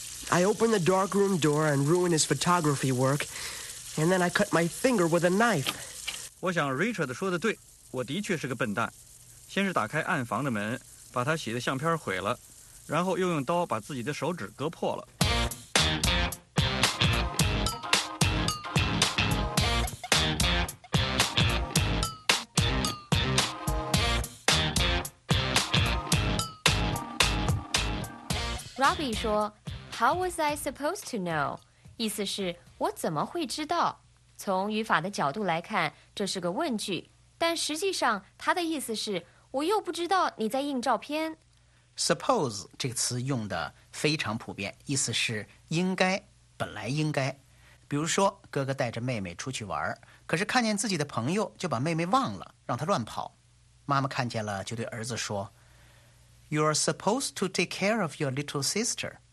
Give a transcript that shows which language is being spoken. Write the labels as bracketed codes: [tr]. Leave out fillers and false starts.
[en] I opened the darkroom door and ruined his photography work, and then I cut my finger with a knife. [zh] 我想 Richard 说的对，我的确是个笨蛋。先是打开暗房的门，把他洗的相片毁了，然后又用刀把自己的手指割破了。 Robbie 说 [en] How was I supposed to know? [zh] 意思是我怎么会知道从语法的角度来看这是个问句但实际上他的意思是我又不知道你在印照片 Suppose 这个词用的非常普遍意思是应该本来应该比如说哥哥带着妹妹出去玩可是看见自己的朋友就把妹妹忘了让她乱跑妈妈看见了就对儿子说 [en] You're supposed to take care of your little sister.